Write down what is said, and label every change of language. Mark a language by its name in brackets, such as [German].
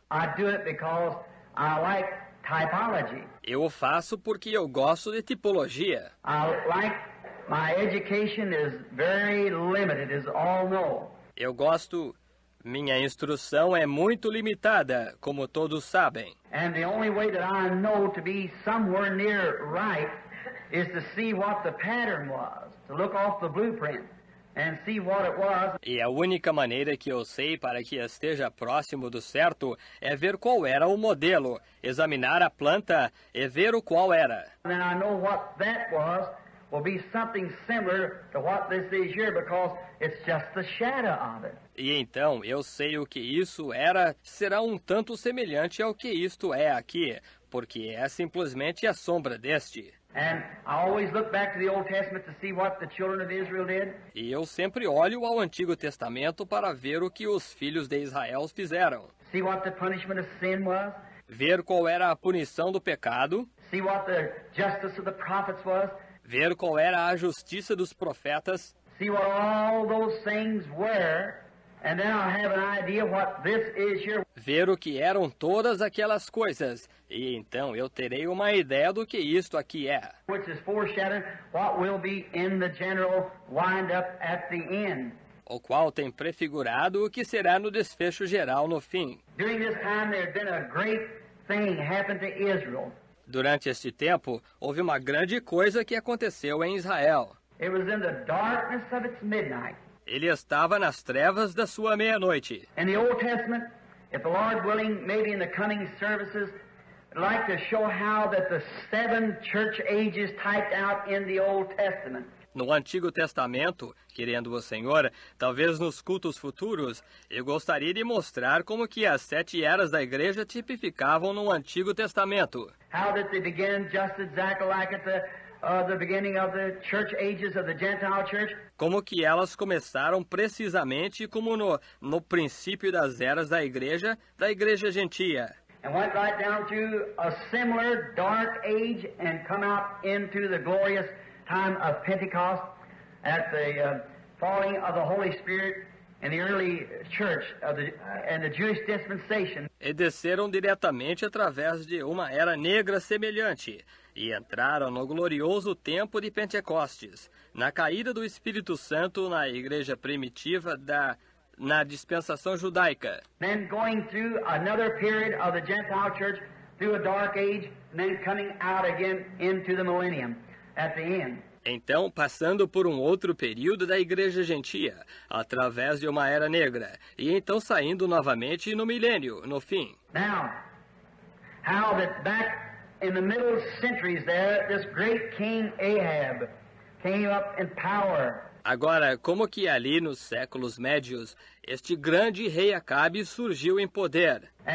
[English] I do it because I like typology. [Portuguese] Eu o faço porque eu gosto de tipologia. [English] I like, my education is very limited, as all know. [Portuguese] Eu gosto, minha instrução é muito limitada, como todos sabem. [English] And the only way that I know to be somewhere near right is to see what the pattern was, to look off the blueprint. And see what it was. [Portuguese] E a única maneira que eu sei para que esteja próximo do certo é ver qual era o modelo, examinar a planta e ver o qual era. [English] And I know what that was will be something similar to what this is here because it's just the shadow of it. [Portuguese] E então eu sei o que isso era será um tanto semelhante ao que isto é aqui, porque é simplesmente a sombra deste. [English] And I always look back to the Old Testament to see what the children of Israel did. [Portuguese] E eu sempre olho ao Antigo Testamento para ver o que os filhos de Israel fizeram. [English] See what the punishment of sin was. [Portuguese] Ver qual era a punição do pecado. [English] See what the justice of the prophets was. [Portuguese] Ver qual era a justiça dos profetas. [English] See what all those things were. And then I have an idea what this is here. [Portuguese] Ver o que eram todas aquelas coisas, e então eu terei uma ideia do que isto aqui é. [English] Which is foreshadowing what will be in the general wind up at the end. [Portuguese] O qual tem prefigurado o que será no desfecho geral no fim. [English] During this time there's been a great thing happened to Israel. [Portuguese] Durante este tempo, houve uma grande coisa que aconteceu em Israel. [English] It was in the darkness of its midnight. [Portuguese] Ele estava nas trevas da sua meia-noite. [English] In the Old Testament, if the Lord willing, maybe in the coming services, I'd like to show how that the seven church ages typed out in the Old Testament. [Portuguese] No Antigo Testamento, querendo o Senhor, talvez nos cultos futuros, eu gostaria de mostrar como que as sete eras da igreja tipificavam no Antigo Testamento. [English] How that they began just exactly like at the beginning of the church ages of the Gentile church. [Portuguese] Como que elas começaram precisamente como no princípio das eras da igreja gentia. [English] And went right down through a similar dark age and come out into the glorious time of Pentecost at the falling of the Holy Spirit. In the early church of the Jewish dispensation. [Portuguese] E desceram diretamente através de uma era negra semelhante e entraram no glorioso tempo de Pentecostes, na caída do Espírito Santo na igreja primitiva na dispensação judaica. [English] Then going through another period of the Gentile church through a dark age, then coming out again into the millennium at the end. [Portuguese] Então, passando por um outro período da Igreja Gentia, através de uma era negra, e então saindo novamente no milênio, no fim. [English] Now, how that back in the middle centuries there, this great king Ahab came up in power. [Portuguese] Agora, como que ali nos séculos médios, este grande rei Acabe surgiu em poder.